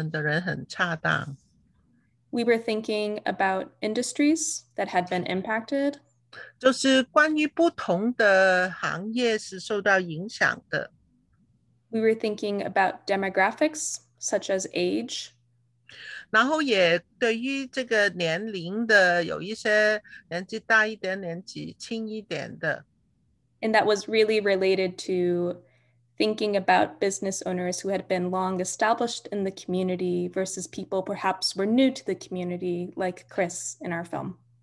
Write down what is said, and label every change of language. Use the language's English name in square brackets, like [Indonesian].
[Chinese] 然后我也跟他们一块来讨论一下，然后他们也觉得跟这些合作伙伴来讨论一下，他们也觉得这几个被访问的人很恰当。 [English] We were thinking about industries that had been impacted. [Chinese] 就是关于不同的行业是受到影响的。 [English] We were thinking about demographics such as age. [Chinese] 然后也对于这个年龄的，有一些年纪大一点，年纪轻一点的。 [English] And that was really related to thinking about business owners who had been long established in the community versus people perhaps were new to the community, like Chris in our film.